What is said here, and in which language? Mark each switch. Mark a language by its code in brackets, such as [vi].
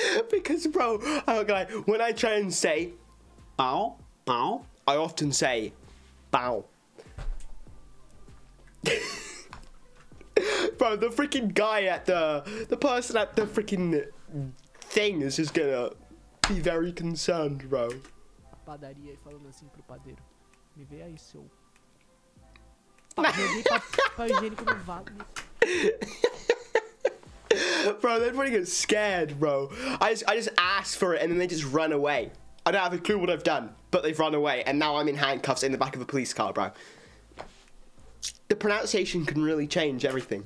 [en] Because, bro, I'm like, when I try and say pau, pau, I often say pau. Bro, the freaking guy at the person at the freaking thing is just gonna be very concerned, bro. [pt] Padaria e falando assim pro padeiro. Me vê aí, seu... Joguei papel higiênico no vaso. [en] Bro, they're pretty good scared, bro. I just asked for it and then they just run away. I don't have a clue what I've done, but they've run away and now I'm in handcuffs in the back of a police car, bro. The pronunciation can really change everything.